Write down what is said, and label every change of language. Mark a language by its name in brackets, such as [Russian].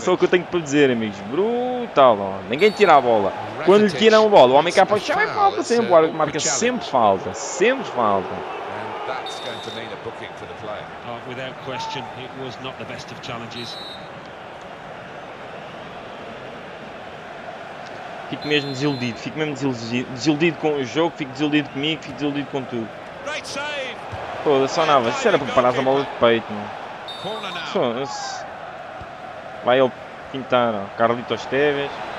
[Portuguese] Só o que eu tenho para dizer, amigos. Brutal. Ninguém tira a bola. Quando lhe tiram a bola, o homem cá para o chão é falta sempre. O árbitro marca sempre falta. Sempre falta. [English] That's going to mean a booking for the player. Without question, it was not the best of challenges. [Portuguese] Fico mesmo desiludido, fico mesmo desiludido com o jogo, fico desiludido comigo, fico desiludido com tudo. Pô, só nada, isso era para parar a bola de peito, mano. Pô, vai ele pintar, ó. Carlitos Tevez.